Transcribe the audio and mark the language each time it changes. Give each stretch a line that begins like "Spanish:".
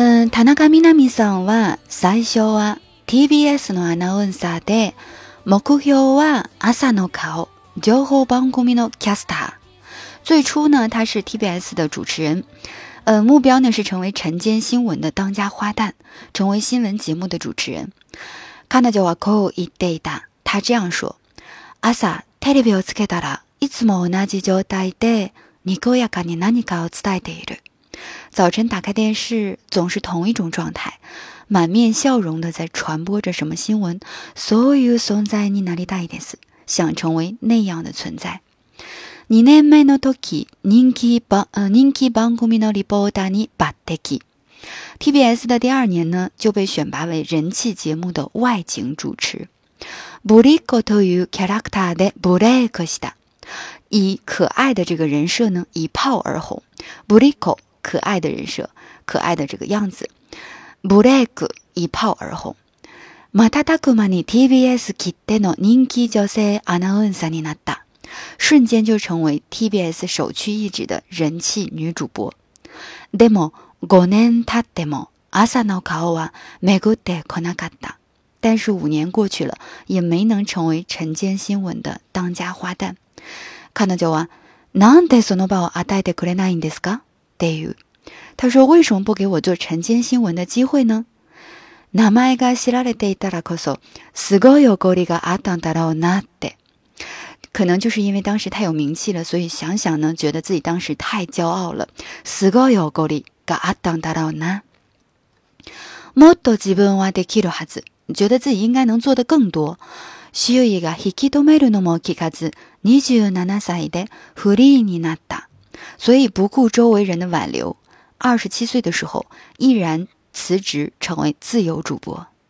Japanese: 田中みな美さんは最初は TBS のアナウンサーで、目標は朝の顔、情報番組のキャスター。
Chinese: 最初呢，他是 TBS 的主持人，目标呢是成为晨间新闻的当家花旦，成为新闻节目的主持人。
Japanese: 彼女はこう言っていた。
Chinese: 他这样说：
Japanese: 朝テレビをつけたらいつも同じ状態でにこやかに何かを伝えている。
Chinese: 早晨打开电视，总是同一种状态，满面笑容的在传播着什么新闻。
Japanese: そういう存在になりたいです。
Chinese: 想成为那样的存在。
Japanese: 2年目の時、人気番組のリポーターに抜擢。
Chinese: TBS 的第二年呢，就被选拔为人气节目的外景主持。
Japanese: ブリコというキャラクターでブレイクした。
Chinese: 以可爱的这个人设呢，一炮而红。ブリコ。可爱的人设，可爱的这个样子。ブレイク，一炮而红。
Japanese: 瞬く間に TBS きっての人気女性アナウンサーになった。
Chinese: 瞬间就成为 TBS 首屈一指的人气女主播。
Japanese: でも、5年経っても朝の顔は巡ってこなかった。
Chinese: 但是五年过去了，也没能成为晨间新闻的当家花旦。
Japanese: 彼女は、なんでその場を与えてくれないんですか？
Chinese: 他说为什么不给我做晨间新闻的机会呢？
Japanese: 名前が知られていたらこそすごい誇りがあったんだろうなって。
Chinese: 可能就是因为当时太有名气了，所以想想呢，觉得自己当时太骄傲了。
Japanese: すごい誇りがあったんだろうな。もっと自分はできるはず，
Chinese: 觉得自己应该能做得更多。
Japanese: 周囲が引き止めるのも聞かず、27歳でフリーになった。
Chinese: 所以不顾周围人的挽留，27岁的时候毅然辞职成为自由主播。